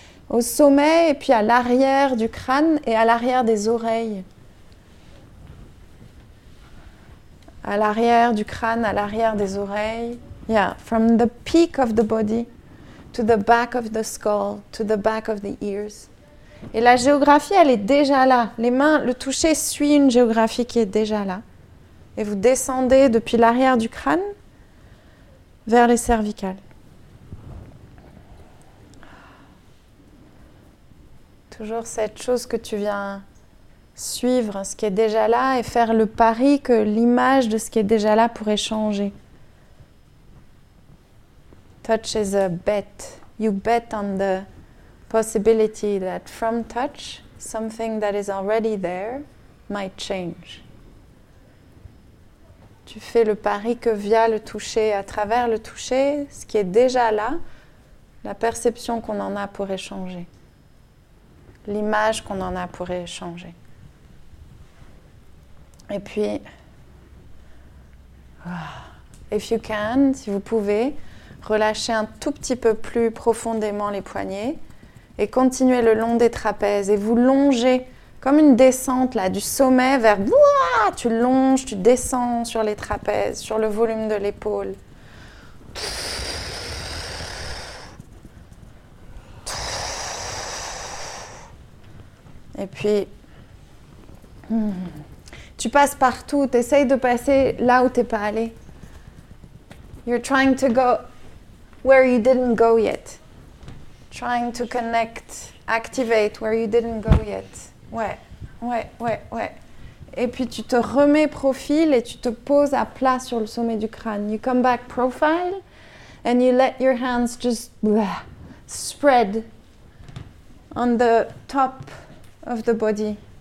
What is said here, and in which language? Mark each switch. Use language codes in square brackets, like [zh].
[fr] Au sommet et puis à l'arrière du crâne et à l'arrière des oreilles. À l'arrière du crâne, à l'arrière des oreilles. [en] Yeah, from the peak of the body to the back of the skull, to the back of the ears. [fr] Et la géographie, elle est déjà là. Les mains, le toucher suit une géographie qui est déjà là. Et vous descendez depuis l'arrière du crâne vers les cervicales. Toujours cette chose que tu viens suivre, ce qui est déjà là, et faire le pari que l'image de ce qui est déjà là pourrait changer. [en] Touch is a bet. You bet on the possibility that from touch, something that is already there might change. [fr] Tu fais le pari que via le toucher, à travers le toucher, ce qui est déjà là, la perception qu'on en a pourrait changer. L'image qu'on en a pourrait changer. Et puis, [en] if you can, [fr] si vous pouvez, relâchez un tout petit peu plus profondément les poignets. Et continuez le long des trapèzes et vous longez comme une descente là, du sommet vers... Tu longes, tu descends sur les trapèzes, sur le volume de l'épaule. Et puis... Tu passes partout, t'essayes de passer là où t'es pas allé. [en] You're trying to go where you didn't go yet. Trying to connect, activate where you didn't go yet. [fr] Ouais, ouais, ouais, ouais. Et puis tu te remets profil et tu te poses à plat sur le sommet du crâne. [en] You come back profile and you let your hands just spread on the top of the body.